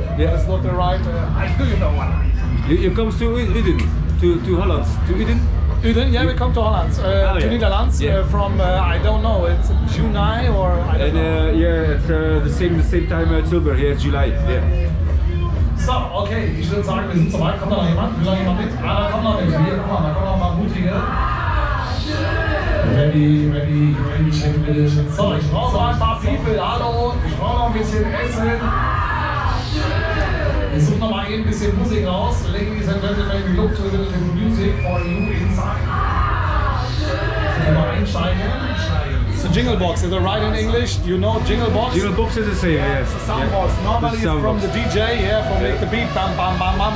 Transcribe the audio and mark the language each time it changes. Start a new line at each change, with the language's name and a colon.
English: Yeah. It's not the right. I do you know what? You come to Uden? To Holland? To Uden? Uden, yeah, we come to Holland, to Netherlands, yeah. From, I don't know, it's July or I don't know. Yeah, it's the same time as Tilburg, yeah, July, yeah.
German: So, okay, ich würde sagen, wir sind soweit, kommt da noch jemand? Will da jemand mit? Ah, da kommt noch welche, guck mal, da kommen noch mal mutige. Ready, schön. So, ich brauche noch ein paar People, hallo, ich brauche noch ein bisschen Essen. Ich suche noch mal ein bisschen Musik raus.
English: Ladies and gentlemen, we look to a little bit of music for you inside.
German: Mal einsteigen.
English: So Jingle Box, is it right in English? Do you know Jingle Box? Jingle Box is the same, yeah, yes. Soundbox. Yeah. Normally it's from the DJ, yeah, from make the beat, bam, bam, bam, bam.